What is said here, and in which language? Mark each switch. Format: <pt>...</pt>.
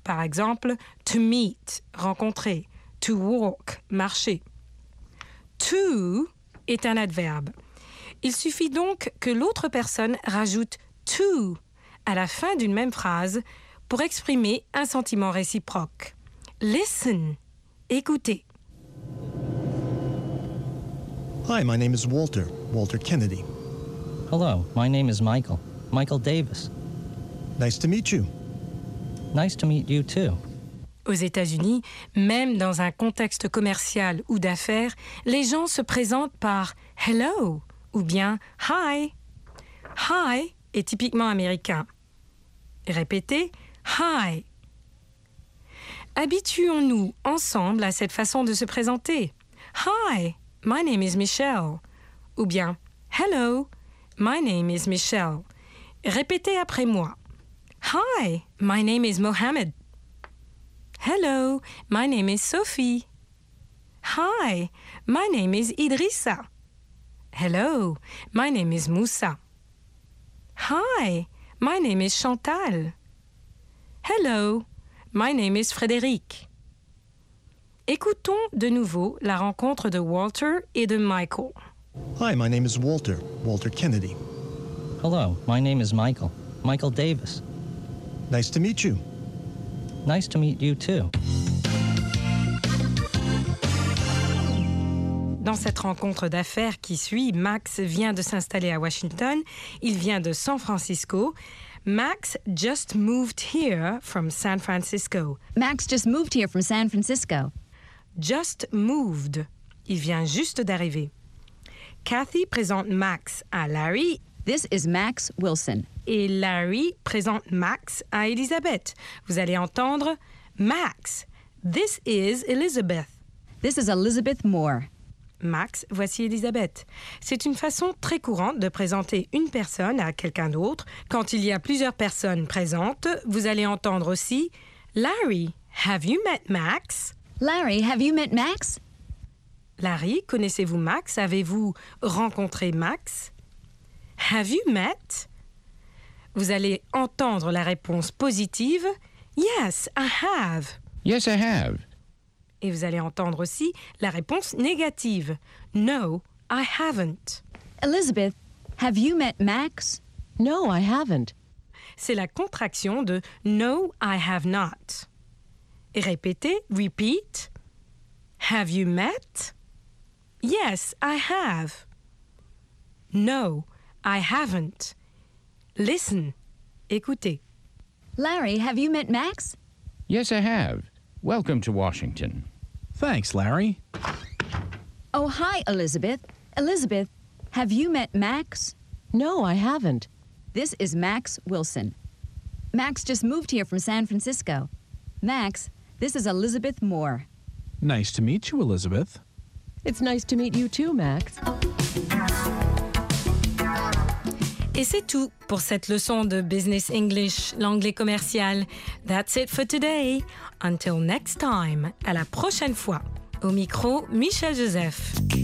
<fr>Par exemple,</fr> <en>to meet,</en> <fr>rencontrer.</fr> <en>To walk,</en> <fr>marcher. To est un adverbe. Il suffit donc que l'autre personne rajoute to à la fin d'une même phrase pour exprimer un sentiment réciproque.</fr> <en>Listen, écoutez. Hi, my name is Walter, Walter Kennedy. Hello, my name is Michael, Michael Davis. Nice to meet you. Nice to meet you too.</en> <fr>Aux États-Unis, même dans un contexte commercial ou d'affaires, les gens se présentent par « hello » ou bien « hi ».« Hi » est typiquement américain. Répétez « hi ». Habituons-nous ensemble à cette façon de se présenter.</fr> <en>« Hi, my name is Michelle »</en> <fr>ou bien</fr> <en>« hello, my name is Michelle ».</en> <fr>Répétez après moi.</fr> <en>« Hi, my name is Mohammed ». Hello, my name is Sophie. Hi, my name is Idrissa. Hello, my name is Moussa. Hi, my name is Chantal. Hello, my name is Frédéric.</en> <fr>Écoutons de nouveau la rencontre de Walter et de Michael.</fr> <en>Hi, my name is Walter, Walter Kennedy. Hello, my name is Michael, Michael Davis. Nice to meet you. Nice to meet you too.</en> <fr>Dans cette rencontre d'affaires qui suit, Max vient de s'installer à Washington. Il vient de San Francisco.</fr> <en>Max just moved here from San Francisco. Max just moved here from San Francisco. Just moved.</en> <fr>Il vient juste d'arriver. Kathy présente Max à Larry.</fr> <en>This is Max Wilson.</en> <fr>Et Larry présente Max à Elizabeth. Vous allez entendre Max.</fr> <en>This is Elizabeth. This is Elizabeth Moore.</en> <fr>Max, voici Elizabeth. C'est une façon très courante de présenter une personne à quelqu'un d'autre. Quand il y a plusieurs personnes présentes, vous allez entendre aussi</fr> <en>Larry, have you met Max? Larry, have you met Max?</en> <fr>Larry, connaissez-vous Max? Avez-vous rencontré Max?</fr> <en>Have you met?</en> <fr>Vous allez entendre la réponse positive.</fr> <en>Yes, I have. Yes, I have.</en> <fr>Et vous allez entendre aussi la réponse négative.</fr> <en>No, I haven't. Elizabeth, have you met Max? No, I haven't.</en> <fr>C'est la contraction de</fr> <en>no, I have not.</en> <fr>Et répétez, repeat.</fr> <en>Have you met? Yes, I have. No, I haven't. Listen.</en> <fr>Écoutez.</fr> <en>Larry, have you met Max? Yes, I have. Welcome to Washington. Thanks, Larry. Oh, hi, Elizabeth. Elizabeth, have you met Max? No, I haven't. This is Max Wilson. Max just moved here from San Francisco. Max, this is Elizabeth Moore. Nice to meet you, Elizabeth. It's nice to meet you too, Max.</en> <fr>Et c'est tout pour cette leçon de Business English, l'anglais commercial.</fr> <en>That's it for today. Until next time,</en> <fr>à la prochaine fois. Au micro, Michel Joseph.</fr>